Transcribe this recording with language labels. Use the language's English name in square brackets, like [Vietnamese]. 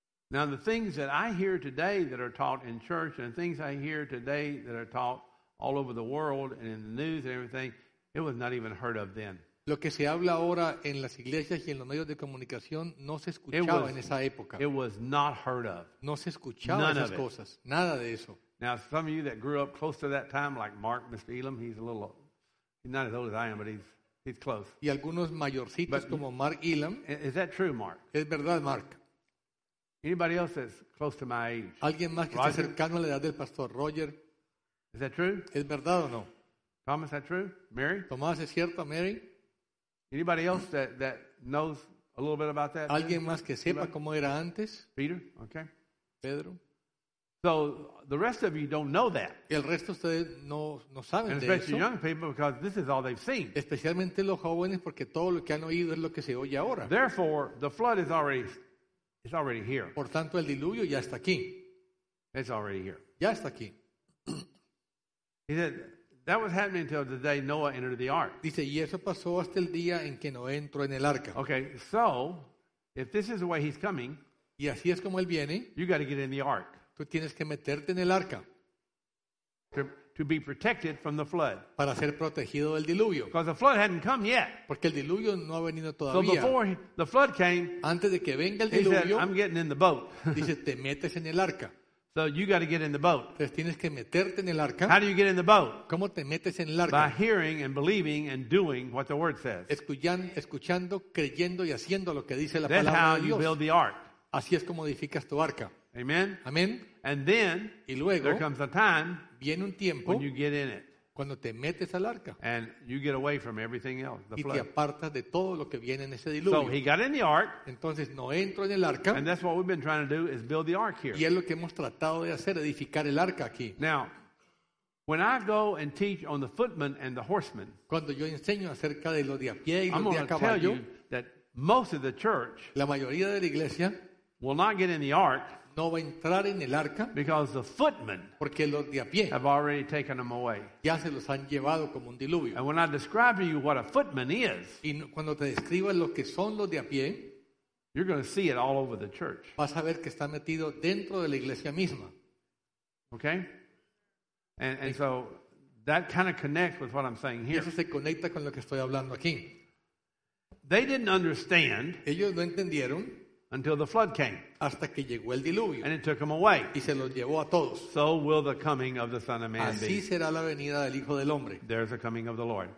[English] Now the things that I hear today that are taught in church and things I hear today that are taught all over the world and in the news and everything, it was not even heard of then. [Spanish] Lo que se habla ahora en las iglesias y en los medios de comunicación no se escuchaba en esa época. [English] It was not heard of. [Spanish] No se escuchaba None esas cosas. Nada de eso. [English] Now some of you that grew up close to that time, like Mark Mispelem, he's not as old as I am, but he's close. [Spanish] Y algunos mayorcitos but, como Mark Elam. [English] Is that true, Mark? [Spanish] Es verdad, Mark. [English] Anybody else that's close to my age? [Spanish] Alguien más que está cercano a la edad del pastor Roger. [English] Is that true? [Spanish] ¿Es verdad o no? [English] Thomas, is that true? Mary? [Spanish] Tomás, ¿es cierto, Mary? [English] Anybody else that knows a little bit about that? [Spanish] ¿Alguien más que sepa cómo era antes? [English] Peter, okay. [Spanish] Pedro. [English] So the rest of you don't know that. [Spanish] El resto ustedes no saben de eso. [English] And especially young people because this is all they've seen. [Spanish] Especialmente los jóvenes porque todo lo que han oído es lo que se oye ahora. [English] Therefore, the flood is already here. [Spanish] Por tanto, el diluvio ya está aquí. [English] It's already here. [Spanish] Ya está aquí. [English] He said, that was happening until the day Noah entered the ark. [Spanish] Dice, y eso pasó hasta el día en que Noé entró en el arca. [English] Okay, so, if this is the way he's coming, [Spanish] y así es como él viene, [English] you got to get in the ark. [Spanish] Tú tienes que meterte en el arca. [English] To be protected from the flood. [Spanish] Para ser protegido del diluvio. [English] Because the flood hadn't come yet. [Spanish] Porque el diluvio no ha venido todavía. [English] So before the flood came, [Spanish] antes de que venga el diluvio, [English] he said, I'm getting in the boat. [Spanish] Dice, te metes en el arca. [English] So you got to get in the boat. [Spanish] Entonces tienes que meterte en el arca. [English] How do you get in the boat? [Spanish] ¿Cómo te metes en el arca? [English] By hearing and believing and doing what the word says. [Spanish] Escuchando, creyendo y haciendo lo que dice la palabra de Dios. [English] That's how you build the ark. [Spanish] Así es como edificas tu arca. [English] Amen. [Spanish] Amen. [English] And then [Spanish] y luego, [English] there comes a time [Spanish] viene un tiempo [English] when you get in it. [Spanish] Cuando te metes al arca. [English] And you get away from everything else. The [Spanish] y [English] flood. [Spanish] Te apartas de todo lo que viene en ese diluvio. [English] So he got in the ark. [Spanish] Entonces no entró en el arca. [English] And that's what we've been trying to do is build the ark here. [Spanish] Y es lo que hemos tratado de hacer, edificar el arca aquí. [English] Now, when I go and teach on the footmen and the horsemen, [Spanish] cuando yo enseño acerca de los de a pie y los [English] I'm [Spanish] de a caballo, [English] tell you that most of the church, [Spanish] la mayoría de la iglesia, [English] will not get in the ark. [Spanish] No va a entrar en el arca [English] because the footmen [Spanish] porque los de a pie [English] have already taken them away. [Spanish] Ya se los han llevado como un diluvio. [English] And when I describe to you what a footman is, [Spanish] y cuando te describa lo que son los de a pie, [English] you're going to see it all over the church. [Spanish] Vas a ver que está metido dentro de la iglesia misma. [English] Okay? And so that kind of connects with what I'm saying here. [Spanish] Y eso se conecta con lo que estoy hablando aquí. [English] They didn't understand. [Spanish] Ellos no entendieron. [English] Until the flood came. [Spanish] Hasta que llegó el diluvio. [English] And it took them away. [Spanish] Y se los llevó a todos. [English] So will the coming of the Son of Man [Spanish] be. Así será la venida del Hijo del Hombre. [English] There's the coming of the Lord.